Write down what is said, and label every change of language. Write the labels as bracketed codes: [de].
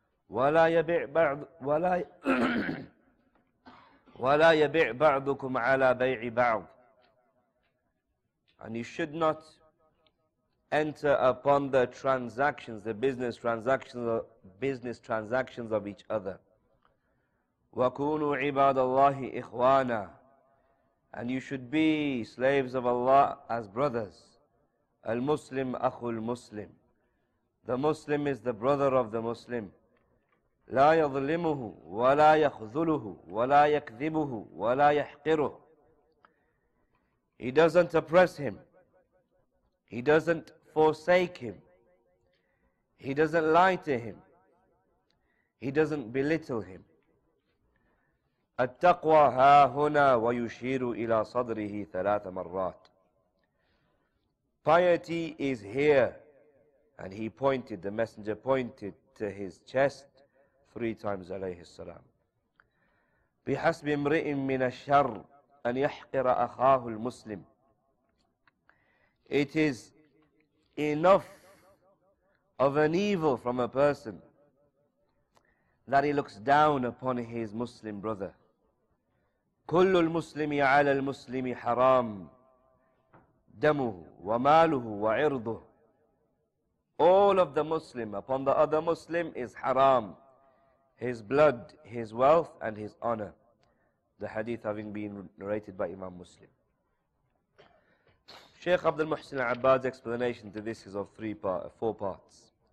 [ar] ولا يبيع بعض ولا ولا يبيع بعضكم على بيع بعض. [en] And you should not enter upon the transactions, the business transactions of each other. [ar] وَكُونُوا عِبَادَ اللَّهِ إِخْوَانًا. [en] And you should be slaves of Allah as brothers. [ar] الْمُسْلِمْ أَخُ الْمُسْلِمْ. [en] The Muslim is the brother of the Muslim. [ar] لَا يَظْلِمُهُ وَلَا يَخْذُلُهُ وَلَا يَكْذِبُهُ وَلَا يَحْقِرُهُ. [en] He doesn't oppress him. He doesn't forsake him. He doesn't lie to him. He doesn't belittle him. [ar] التقوى ها هنا ويشير إلى صدره ثلاث مرات. [en] Piety is here. And he pointed, the messenger pointed to his chest three times عليه السلام. [ar] بحسب امرئ من الشر أن يحقر أخاه المسلم. [en] It is enough of an evil from a person that he looks down upon his Muslim brother. [ar] كل المسلم على المسلم حرام دمه وماله وعرضه. [en] All of the Muslim upon the other Muslim is haram, his blood, his wealth, and his honor. The hadith having been narrated by Imam Muslim. Shaykh Abdul Muhsin Al-Abbad's explanation to this is of four parts.